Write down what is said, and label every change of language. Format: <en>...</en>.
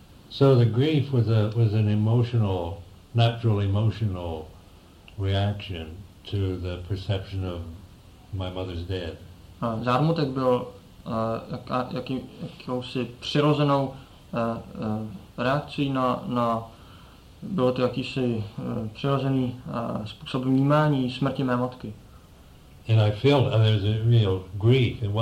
<en>So the grief was an emotional, natural emotional reaction to the perception of my mother's death.</en> <cs>Zármutek byl jakousi přirozenou reakcí na bylo to jakýsi přirozený způsob vnímání smrti mé matky.</cs> <en>And I felt there was a real grief.</en>